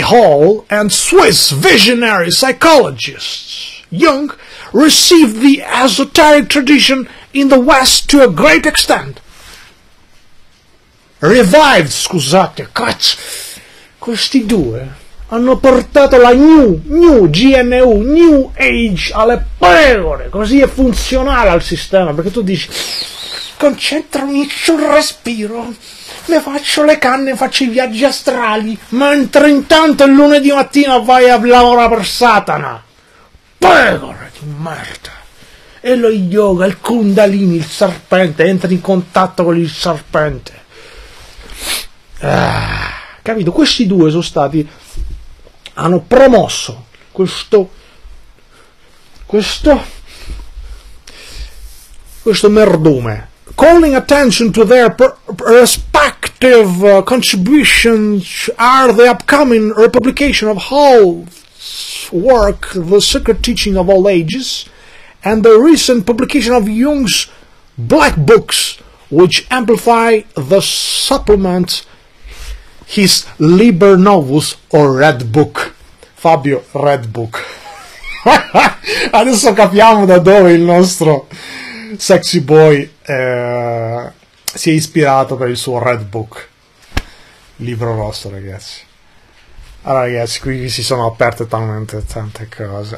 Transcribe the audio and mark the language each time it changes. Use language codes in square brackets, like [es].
[en] Hall and Swiss visionary psychologist Jung received the esoteric tradition in the West to a great extent. Revived, [it] scusate, cazzo. Questi due hanno portato la New Age alle pecore, così è funzionale al sistema, perché tu dici, concentrami sul respiro, mi faccio le canne, faccio i viaggi astrali, mentre intanto il lunedì mattina vai a lavorare per Satana. Pecore di merda. E lo yoga, il kundalini, il serpente, entri in contatto con il serpente. Capito? Questi due sono stati. Hanno promosso questo merdume, [en] calling attention to their respective contributions are the upcoming republication of Hall's work, The Secret Teaching of All Ages, and the recent publication of Jung's Black Books, which amplify the supplement his Liber Novus or Red Book. Fabio, Red Book. [it] Adesso capiamo da dove il nostro sexy boy si è ispirato per il suo Red Book. Libro rosso, ragazzi. Allora, ragazzi, qui si sono aperte talmente tante cose.